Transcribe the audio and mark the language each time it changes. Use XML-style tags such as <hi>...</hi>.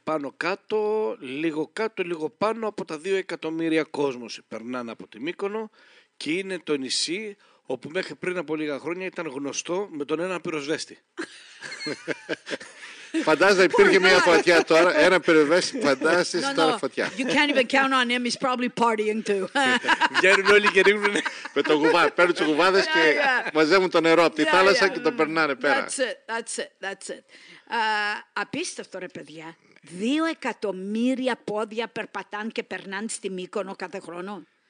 <el>Πάνω κάτω, λίγο κάτω, λίγο πάνω από τα 2 εκατομμύρια κόσμος περνάνε από τη Μύκονο και είναι το νησί όπου μέχρι πριν από λίγα χρόνια ήταν γνωστό με τον ένα πυροσβέστη. Φαντάζεσαι, υπήρχε μια φωτιά τώρα, ένα πυροσβέστη, φαντάζεσαι τώρα φωτιά.</el> <en>You can't even count on him, he's probably partying too.</en> <el>Βγαίνουν όλοι και ρίχνουν με το κουβά, παίρνουν τις κουβάδες και μαζεύουν το νερό από τη θάλασσα και το περνάνε πέρα.</el> <en>That's it.</en> <el>Απίστευτο ρε παιδιά, 2 εκατομμύρια πόδια περπατάν και περνάνε στη Μύκονο κάθε χρόνο.</el>